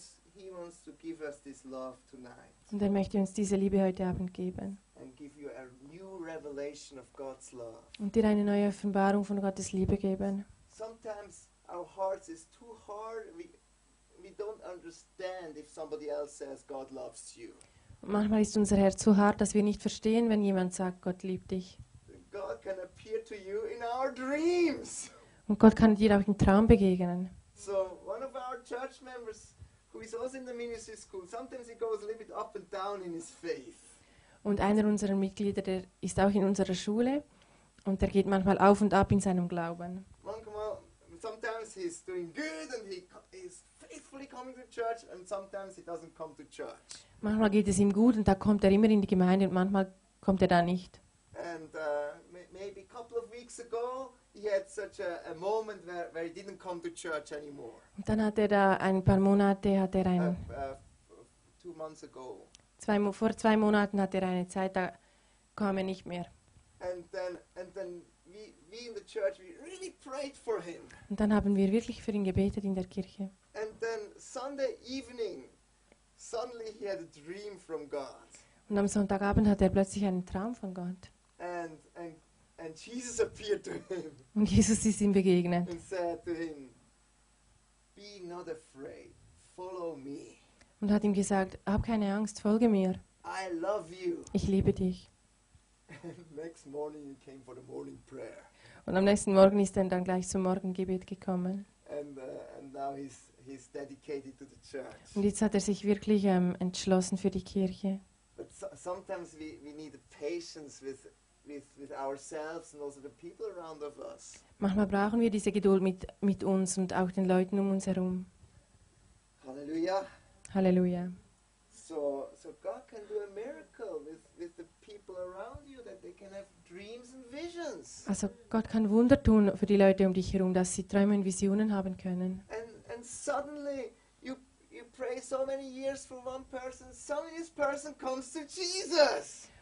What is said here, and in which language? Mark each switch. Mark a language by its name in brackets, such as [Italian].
[English] He wants to give us this love tonight. [German] Und er möchte uns diese Liebe heute Abend geben. [English] And give you a new revelation of God's love. [German] Und dir eine neue Offenbarung von Gottes Liebe geben. [English] Sometimes our hearts is too hard. We don't understand if somebody else says God loves you. [German] Manchmal ist unser Herz so hart, dass wir nicht verstehen, wenn jemand sagt, Gott liebt dich. [English] God can appear to you in our dreams. [German] Und Gott kann dir auch im Traum begegnen. [English] So one of our church members who is also in the ministry school, sometimes he goes a little bit up and down in his faith. [German] Und einer unserer Mitglieder, der ist auch in unserer Schule und der geht manchmal auf und ab in seinem Glauben. Manchmal, [English] sometimes he's doing good and he is faithfully coming to church and sometimes he doesn't come to church. [German] Manchmal geht es ihm gut und da kommt er immer in die Gemeinde und manchmal kommt er da nicht. [English] And maybe a couple of weeks ago he had such a moment where he didn't come to church anymore. [German] Und dann hat er da ein paar Monate, hat er ein... [English] Two months ago. [German] Vor zwei Monaten hat er eine Zeit, da kam er nicht mehr. [English] And then we in the church, we really prayed for him. [German] Und dann haben wir wirklich für ihn gebetet in der Kirche. [English] And then Sunday evening, suddenly he had a dream from God. [German] Und am Sonntagabend hat er plötzlich einen Traum von Gott. [English] And Jesus appeared to him. [German] Und Jesus ist ihm begegnet. [English] And said to him, "Be not afraid. Follow me." [German] Und hat ihm gesagt, hab keine Angst, folge mir. [English] I love you. [German] Ich liebe dich. [English] Next morning he came for the morning prayer. [German] Und am nächsten Morgen ist er dann gleich zum Morgengebet gekommen. [English] And now he's dedicated to the church. [German] Und jetzt hat er sich wirklich entschlossen für die Kirche. [English] But sometimes we need patience with ourselves and also the people around of us. [German] Manchmal brauchen wir diese Geduld mit uns und auch den Leuten um uns herum. Halleluja. Halleluja. [English] So God can do a miracle with the people around you that they can have dreams and visions. [German] Also Gott kann Wunder tun für die Leute um dich herum, dass sie Träume und Visionen haben können. [English] And suddenly you pray so many years for one person, suddenly this person comes to Jesus.